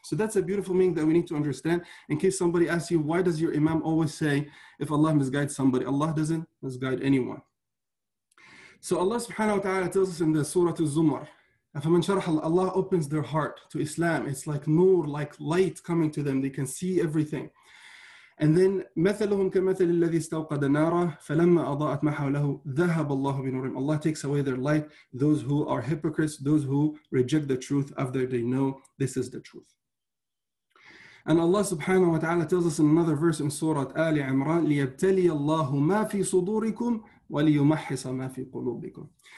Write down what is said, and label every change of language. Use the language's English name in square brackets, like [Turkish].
[English] So that's a beautiful meaning that we need to understand. In case somebody asks you, why does your imam always say, if Allah misguides somebody, Allah doesn't misguide anyone. So Allah subhanahu wa ta'ala tells us in the Surah Az-Zumar, [Arabic] فَمَنْ شَرَحَ اللَّهِ. [English] Allah opens their heart to Islam. It's like nur, like light coming to them. They can see everything. And then [Arabic] مَثَلُهُمْ كَمَثَلِ الَّذِي اسْتَوْقَدَ نَارًا فَلَمَّا أَضَاءَتْ مَا حَوْلَهُ ذَهَبَ اللَّهُ بِنُورِهِمْ. [English] Allah takes away their light. Those who are hypocrites, those who reject the truth after they know this is the truth. And Allah subhanahu wa ta'ala tells us in another verse in Surah Ali Imran, [Arabic] لِيَبْتَلِيَ اللَّهُ مَا فِي صُدُورِكُمْ وَلِيُمَحِّصَ مَا فِي قُلُوبِكُمْ.